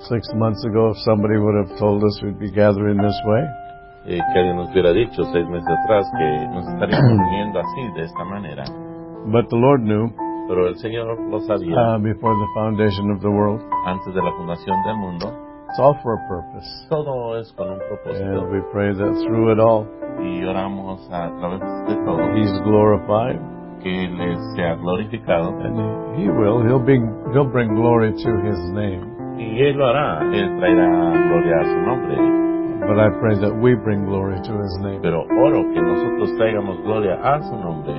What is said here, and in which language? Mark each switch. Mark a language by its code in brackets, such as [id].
[en] 6 months ago, somebody would have told us we'd be gathering this way. [es] Que alguien nos hubiera dicho 6 meses atrás que nos estaríamos uniendo así, de esta manera. [en] But the Lord knew. [es] Pero el Señor lo sabía. [en] Before the foundation of the world. [es] Antes de la fundación del mundo. [en] It's all for a purpose. [es] Todo es con un propósito. [en] And we pray that through it all, [es] y oramos a través de todo, [en] He's glorified. [es] Que él sea glorificado. [en] And He will. He'll bring glory to His name. [es] Y él lo hará. Él traerá gloria a su nombre. [en] But I pray that we bring glory to His name. [es] Pero oro que nosotros traigamos gloria a su nombre.